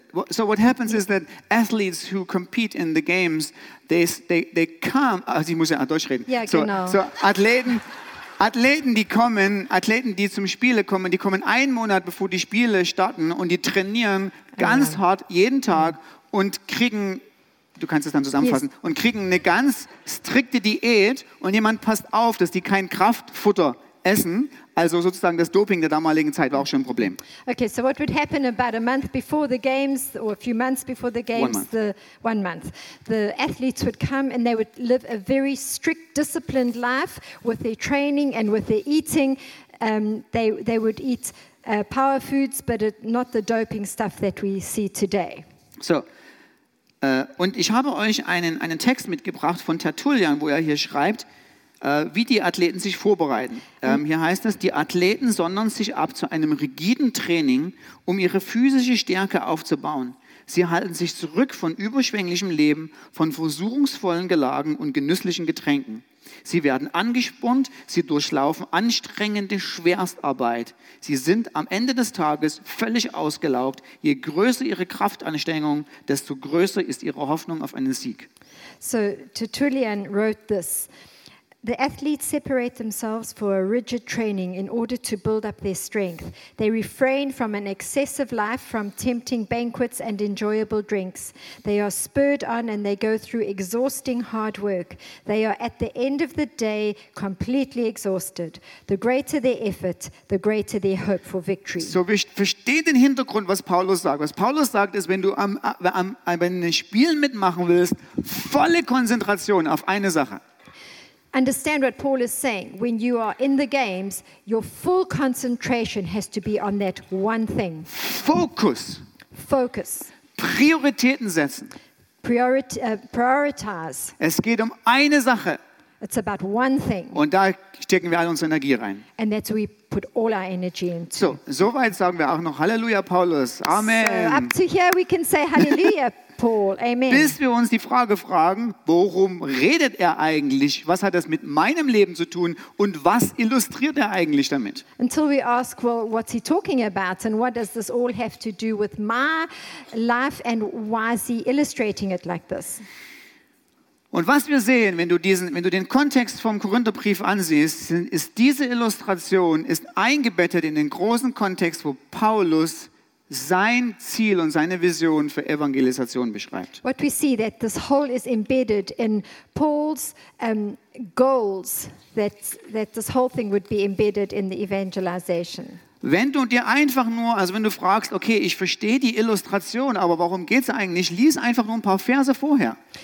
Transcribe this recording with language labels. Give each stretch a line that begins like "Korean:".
English: So what happens is that athletes who compete in the games, they come.
German: Also ich muss ja Deutsch reden.
English: Yeah, so,
German: genau. So Athleten, die zum Spiele kommen, die kommen einen Monat bevor die Spiele starten und die trainieren ganz hart jeden Tag und kriegen. Du kannst es dann zusammenfassen. Yes. Und kriegen eine ganz strikte Diät und jemand passt auf, dass die kein Kraftfutter essen. Also sozusagen das Doping der damaligen Zeit war auch schon ein Problem.
English: Okay, so what would happen about a month before the games or a few months before the games? One month. The athletes would come and they would live a very strict disciplined life with their training and with their eating. They would eat power foods, but not the doping stuff that we see today.
German: So, und ich habe euch einen Text mitgebracht von Tertullian, wo er hier schreibt, wie die Athleten sich vorbereiten. Hier heißt es, die Athleten sondern sich ab zu einem rigiden Training, um ihre physische Stärke aufzubauen. Sie halten sich zurück von überschwänglichem Leben, von versuchungsvollen Gelagen und genüsslichen Getränken. Sie werden angespornt, sie durchlaufen anstrengende Schwerstarbeit. Sie sind am Ende des Tages völlig ausgelaugt. Je größer ihre Kraftanstrengung, desto größer ist ihre Hoffnung auf einen Sieg.
English: So Tertullian wrote this. The athletes separate themselves for a rigid training in order to build up their strength. They refrain from an excessive life, from tempting banquets and enjoyable drinks. They are spurred on and they go through exhausting hard work. They are at the end of the day completely exhausted. The greater their effort, the greater their hope for victory.
German: So, wir verstehen den Hintergrund, was Paulus sagt. Was Paulus sagt ist, wenn du wenn du Spielen mitmachen willst, volle Konzentration auf eine Sache.
English: Understand what Paul is saying. When you are in the games, your full concentration has to be on that one thing. Focus. Focus.
German: Prioritäten setzen.
English: Prioritize.
German: Es geht um eine Sache.
English: It's about one thing.
German: Und da stecken wir all unsere Energie rein.
English: And that's where we put all our energy into.
German: So, soweit sagen wir auch noch Halleluja, Paulus. Amen.
English: So, up to here we can say Halleluja. Paul, amen.
German: Bis wir uns die Frage fragen, worum redet er eigentlich? Was hat das mit meinem Leben zu tun? Und was illustriert er eigentlich damit?
English: Until we ask, well, what's he talking about? And what does this all have to do with my life? And why is he illustrating it like this?
German: Und was wir sehen, wenn du den Kontext vom Korintherbrief ansiehst, ist diese Illustration ist eingebettet in den großen Kontext, wo Paulus sein Ziel und seine Vision für Evangelisation beschreibt.
English: What we see that this whole is embedded in Paul's goals, that this whole thing would be embedded in the evangelization.
German: Wenn du dir einfach nur, also wenn du fragst, okay, ich verstehe die Illustration, aber warum geht's eigentlich? Lies einfach nur ein paar Verse vorher.